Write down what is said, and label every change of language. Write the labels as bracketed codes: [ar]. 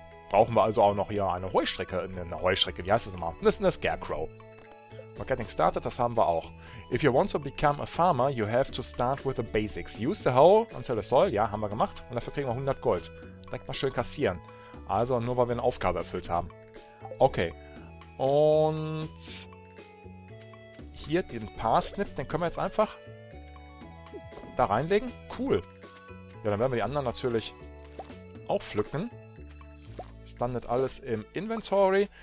[de] Brauchen wir also auch noch hier eine Heustrecke. Eine Heustrecke, wie heißt das nochmal? Das ist eine Scarecrow. [en] We're getting started, [de] das haben wir auch. [en] If you want to become a farmer, you have to start with the basics. Use the hoe until the soil. [de] Ja, haben wir gemacht. Und dafür kriegen wir 100 Gold. Direkt mal schön kassieren. Also nur, weil wir eine Aufgabe erfüllt haben. Okay, und hier den Parsnip, den können wir jetzt einfach da reinlegen. Cool. Ja, dann werden wir die anderen natürlich auch pflücken. Das landet alles im Inventory.